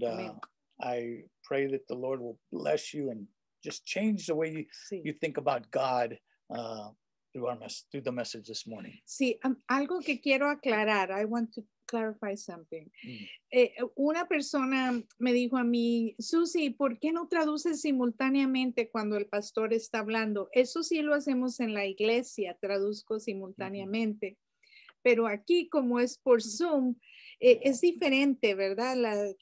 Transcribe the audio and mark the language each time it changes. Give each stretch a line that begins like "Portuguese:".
English: And I pray that the Lord will bless you and just change the way you think about God through the message this morning.
Spanish: Sí, algo que quiero aclarar.
English: I want to clarify something.
Spanish: Una persona me dijo a mí, Susie, ¿por qué no traduces simultáneamente cuando el pastor está hablando? Eso sí lo hacemos en la iglesia, traduzco simultáneamente. Mm-hmm. Pero aquí, como es por Zoom, es diferente, ¿verdad?